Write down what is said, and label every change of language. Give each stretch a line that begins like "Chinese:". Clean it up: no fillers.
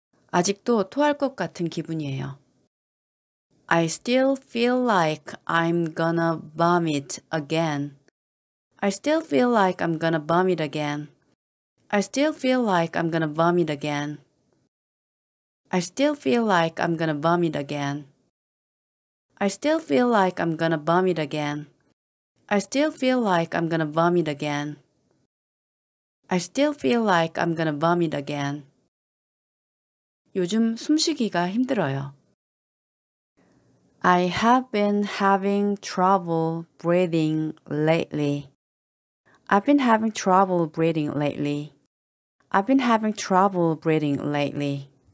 Korean: 아직도 토할 것 같은 기분이에요.
English: I still feel like I'm gonna vomit again. I still feel like I'm gonna vomit again. I still feel like I'm gonna vomit again. I still feel like I'm gonna vomit again. I still feel like I'm gonna vomit again. I still feel like I'm gonna vomit again. I still feel like I'm gonna vomit again.
Korean: 요즘 숨쉬기가 힘들어요.
English: I have been having trouble breathing lately. I've been having trouble breathing lately. I've been having trouble breathing lately.